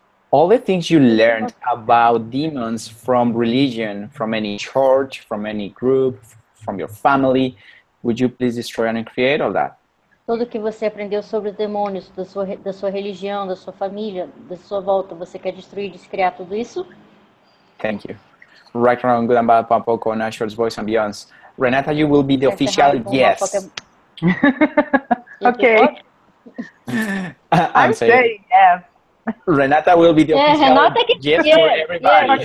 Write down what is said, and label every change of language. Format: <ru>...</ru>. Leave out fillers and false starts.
<en>All the things you learned about demons from religion, from any church, from any group, from your family, would you please destroy and uncreate all that?</en> <pt>Tudo que você aprendeu sobre os demônios, da sua religião, da sua família, da sua volta, você quer destruir, descriar tudo isso?</pt> <en>Thank you. Right and wrong, good and bad, pompo, con ashes, voice and beyonds. Renata, you will be the official yes. Okay. I'm saying yes. Renata will be the official yes for everybody.</en>